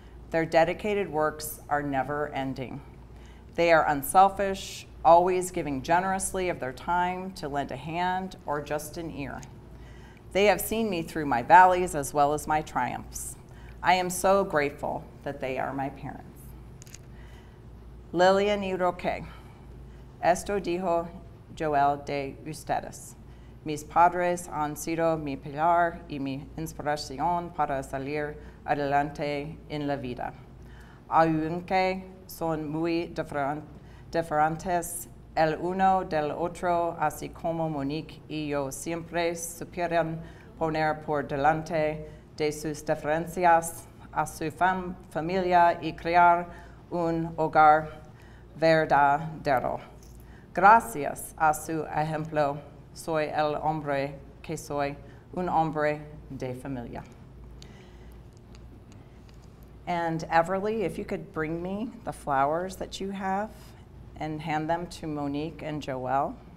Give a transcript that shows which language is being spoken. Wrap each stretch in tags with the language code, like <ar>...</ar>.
<en>Their dedicated works are never ending. They are unselfish, always giving generously of their time to lend a hand or just an ear. They have seen me through my valleys as well as my triumphs. I am so grateful that they are my parents.</en> <es>Lillian y Roque, esto dijo Joel de ustedes. Mis padres han sido mi pilar y mi inspiración para salir adelante en la vida. Aunque son muy diferentes el uno del otro, así como Monique y yo siempre supieron poner por delante de sus diferencias a su familia y crear un hogar verdadero. Gracias a su ejemplo, soy el hombre que soy, un hombre de familia.</es> <en>And Everly, if you could bring me the flowers that you have and hand them to Monique and Joel.</en>